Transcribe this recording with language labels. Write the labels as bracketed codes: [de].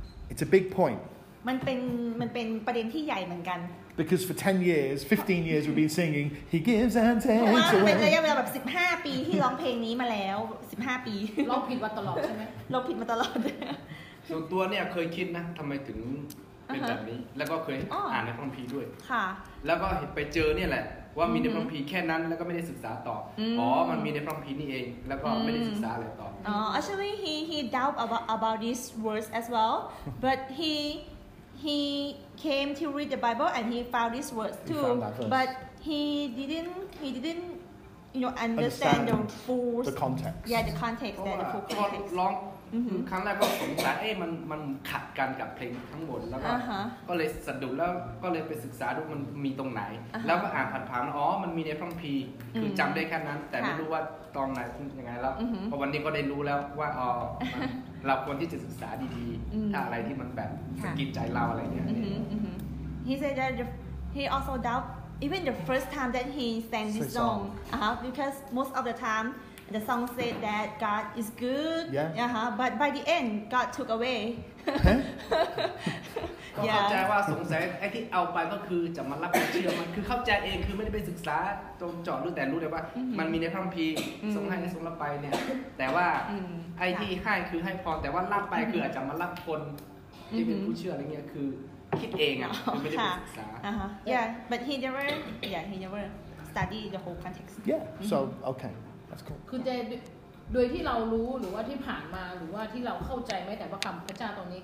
[en] It's a big point. Because for 10 years, 15 years we've been singing, He gives and takes away. It's been like 15 years that I've been singing this song. 15 years. I've been singing this song. [th] เป็นแบบนี้แล้วก็เคยอ่านในพระคัมภีร์ด้วย ค่ะ แล้วก็ไปเจอเนี่ยแหละว่ามีในพระคัมภีร์แค่นั้นแล้วก็ไม่ได้ศึกษาต่ออ๋ อมันมีในพระคัมภีร์นี่เองแล้วก็ไม่ได้ศึกษาอะไรต่ออ๋อ [en] actually he doubt about these words as well but he came to read the Bible and he found these words too but he didn't you know understand the full the context yeah the context that the full context [th] ลองครั้งแรกก็สงสัยเอ๊ะมันขัดกันกับเพลงทั้งหมดแล้วก็เลยสะดุดแล้วก็เลยไปศึกษาดูมันมีตรงไหนแล้วก็อ่านผ่านๆอ๋อมันมีในพระคัมภีร์คือจำได้แค่นั้นแต่ไม่รู้ว่าตอนไหนเป็นยังไงแล้วพอวันนี้ก็ได้รู้แล้วว่าอ๋อเราควรที่จะศึกษาดี ๆ ถ้าอะไรที่มันแบบสะกิดใจเราอะไรเงี้ย [en] He said that he also doubt even the first time that he sang this song because most of the timeThe song said that God is good, yeah. But by the end, God took away. [th] ก็เข้าใจว่าสงสัยไอ้ที่เอาไปก็คือจะมารับเชื่อมันคือเข้าใจเองคือไม่ได้ไปศึกษาตรงจอดรู้แต่รู้เลยว่ามันมีในพระคัมภีร์ ทรงให้ทรงรับไปเนี่ยแต่ว่าไอ้ที่ให้คือให้พอแต่ว่ารับไปคืออาจจะมารับคนที่เป็นผู้เชื่ออะไรเงี้ยคือคิดเองอ่ะไม่ได้ไปศึกษา [en] Yeah, but he never study the whole context. Yeah, so okay. [th] คือจะโดยที่เรารู้หรือว่าที่ผ่านมาหรือว่าที่เราเข้าใจไหมแต่พระคำพระเจ้าตรงนี้